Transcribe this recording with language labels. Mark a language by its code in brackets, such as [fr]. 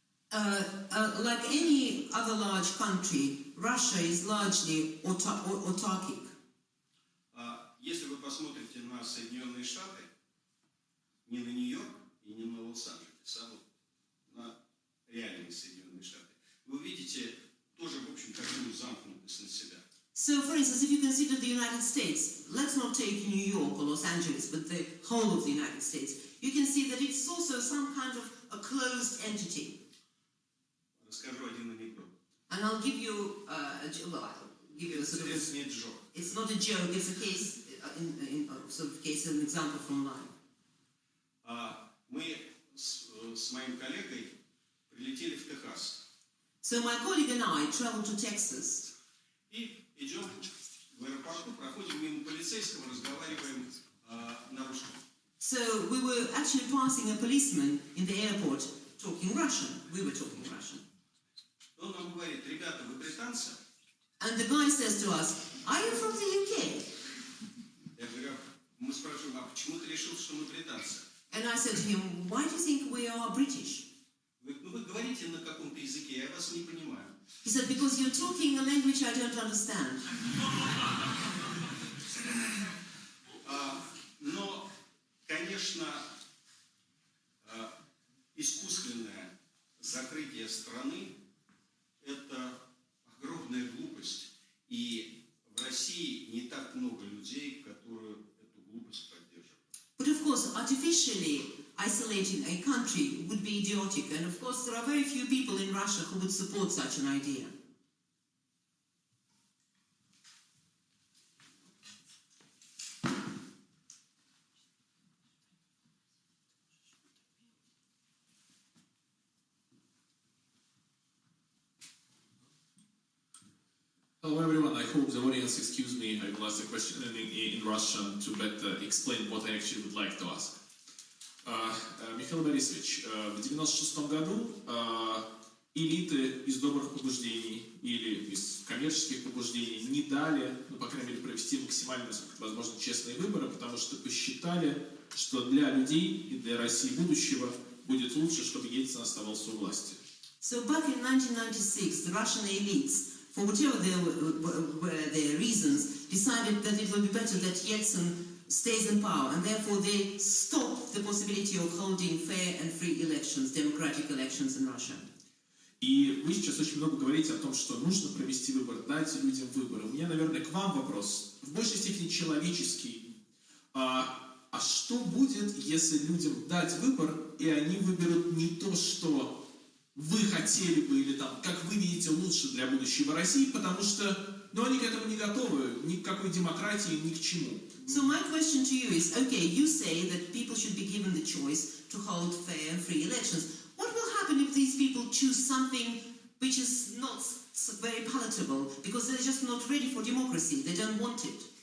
[en] Like any other large country, Russia is largely autarkic. [ru] Если вы посмотрите на Соединенные Штаты, не на Нью-Йорк и не на Лос-Анджелес, а вот на реальные Соединенные Штаты, вы увидите тоже, в общем, такую замкнутость на себя. [en] So, for instance, if you consider the United States, let's not take New York or Los Angeles, but the whole of the United States, you can see that it's also some kind of a closed entity. [ru] Расскажу один анекдот. [en] And I'll give you a sort of... It's not a joke, it's a case, an example from mine. [ru] Мы с моим коллегой прилетели в Техас. [en] So my colleague and I traveled to Texas. [ru] Идем в аэропорту, проходим мимо полицейского, разговариваем на русском. [en] So we were actually passing a policeman in the airport talking Russian. We were talking Russian. [ru] Он нам говорит: ребята, вы британцы? [en] And the guy says to us, are you from the UK? [ru] Я говорю, мы спрашиваем, а почему ты решил, что мы британцы? [en] And I said to him, why do you think we are British? [ru] Ну вы говорите на каком-то языке, я вас не понимаю. [en] He said, because you're talking a language I don't understand. [ru] Но, конечно, искусственное закрытие страны – это огромная глупость. И в России не так много людей, которые эту глупость поддерживают. [en] But, of course, artificially isolating a country would be idiotic. And of course, there are very few people in Russia who would support such an idea. Hello, everyone. I hope the audience excuse me, I will ask the question in Russian to better explain what I actually would like to ask. [ru] Михаил Борисович, в 96-м году элиты из добрых побуждений или из коммерческих побуждений не дали, ну, по крайней мере, провести максимально, насколько возможно, честные выборы, потому что посчитали, что для людей и для России будущего будет лучше, чтобы Ельцин оставался у власти. [en] So back in 1996, the Russian elites, for whatever their reasons, decided that it would be better that Yeltsin stays in power, and therefore they stopped the possibility of holding fair and free elections, democratic elections in Russia. [ru] И вы сейчас очень много говорите о том, что нужно провести выбор, дать людям выборы. У меня, наверное, к вам вопрос, в большей степени человеческий. А что будет, если людям дать выбор, и они выберут не то, что вы хотели бы, или там, как вы видите лучше для будущего России, потому что, ну, они к этому не готовы, ни к какой демократии, ни к чему. [en] So my question to you is, okay, you say that people should be given the choice to hold fair and free elections. What will happen if these people choose something which is not very palatable, because they're just not ready for democracy, they don't want it?